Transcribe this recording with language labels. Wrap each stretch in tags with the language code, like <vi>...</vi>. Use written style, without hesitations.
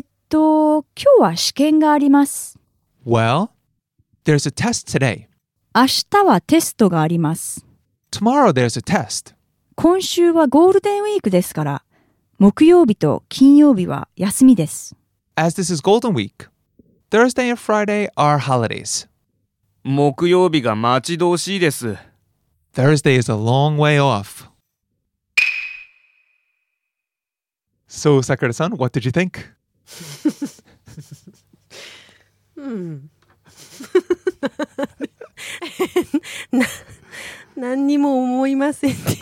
<ja>今日は試験があります。</ja> <en>Well, there's a test today.</en> <ja>明日はテストがあります。</ja> <en>Tomorrow there's a test.</en> <ja>今週はゴールデンウィークですから、木曜日と金曜日は休みです。</ja> <en>As this is Golden Week, Thursday and Friday are holidays.</en> <ja>木曜日が待ち遠しいです。</ja> <en>Thursday is a long way off. So, Sakura-san, what did you think?</en> <ja>な, 何にも思いません</ja>